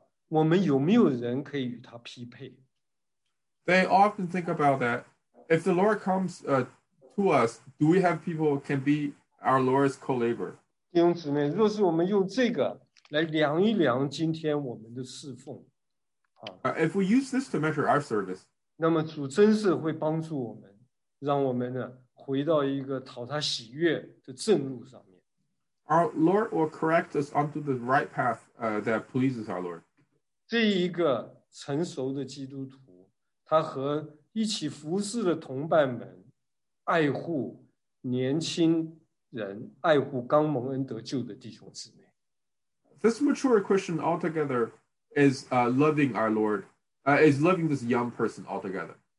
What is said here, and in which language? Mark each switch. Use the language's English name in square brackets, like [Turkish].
[Chinese] 而他真正是想到，如果主来了，我们有没有人可以与他匹配？ [English] They often think about that. If the Lord comes to us, do we have people who can be our Lord's co-laborer? [Chinese] 弟兄姊妹，若是我们用这个来量一量今天我们的侍奉，啊， [English] If we use this to measure our service, [Chinese] 那么主真是会帮助我们，让我们呢回到一个讨他喜悦的正路上。 [English] Our Lord will correct us onto the right path that pleases our Lord. [Chinese] 这一个成熟的基督徒， 他和一起服侍的同伴们， 爱护年轻人， 爱护刚蒙恩得救的弟兄姊妹。 [English] This mature Christian altogether is loving our Lord, is loving this young person altogether.